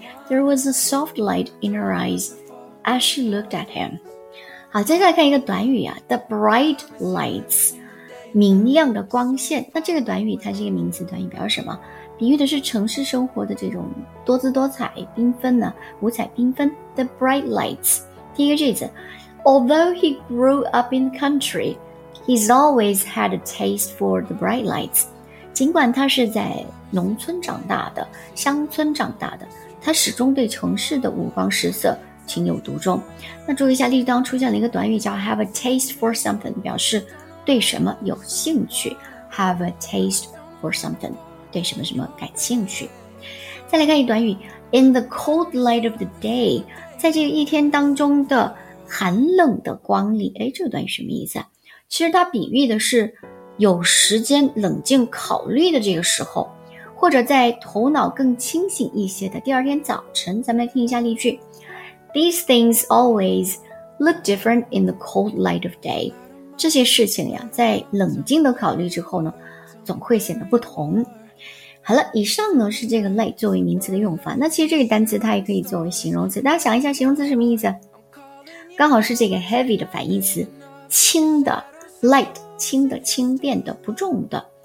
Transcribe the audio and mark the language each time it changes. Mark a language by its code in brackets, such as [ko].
[en] There was a soft light in her eyes as she looked at him. [zh] 好，接下来看一个短语啊， [en] The bright lights， [zh] 明亮的光线。那这个短语它是一个名词短语，表示什么？比喻的是城市生活的这种多姿多彩缤纷呢，五彩缤纷。 [en] The bright lights， [zh] 第一个句子， [en] Although he grew up in the country， he's always had a taste for the bright lights。 [zh] 尽管他是在农村长大的，乡村长大的，他始终对城市的五光十色情有独钟。那注意一下，例句当出现了一个短语叫 [en] have a taste for something， [zh] 表示对什么有兴趣。 [en] Have a taste for something， [zh] 对什么什么感兴趣。再来看一短语 ， [en] in the cold light of the day， [zh] 在这个一天当中的寒冷的光里，哎，这个短语什么意思啊？其实它比喻的是。有时间冷静考虑的这个时候，或者在头脑更清醒一些的第二天早晨。咱们来听一下例句。 [en] These things always look different in the cold light of day. [zh] 这些事情呀，在冷静的考虑之后呢，总会显得不同。好了，以上呢是这个 light 作为名词的用法。那其实这个单词它也可以作为形容词，大家想一下形容词什么意思？刚好是这个 heavy 的反义词，轻的 light，轻的、轻便的、不重的。